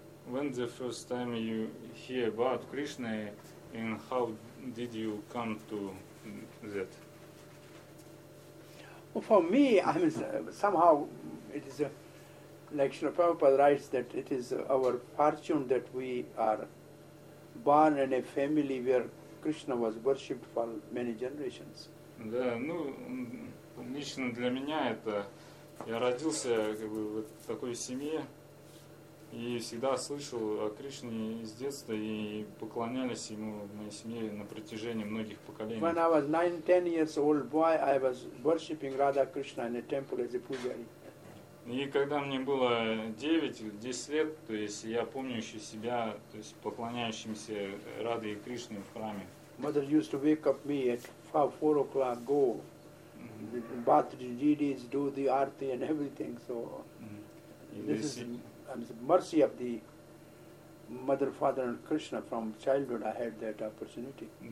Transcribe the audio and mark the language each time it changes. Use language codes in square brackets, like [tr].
[en] When the first time you hear about Krishna and how did you come to that? Well, for me, I mean, somehow it is like Srila Prabhupada writes that it is our fortune that we are born in a family where Krishna was worshipped for many generations. [ru] Да, ну, лично для меня это, я родился как бы в такой семье и всегда слышал о Кришне с детства и поклонялись ему в моей семье на протяжении многих поколений. [en] When I was 9-10 years old boy, I was worshipping Radha Krishna in a temple as a pujari. [ru] И когда мне было 9 или 10 лет, то есть я помню еще себя, то есть поклоняющимся Раде и Кришне в храме. [en] Mother used to wake up me at 4 o'clock, go. Bath the deities, do the arti and everything, so this is mercy of the mother, father and Krishna. From childhood I had that opportunity.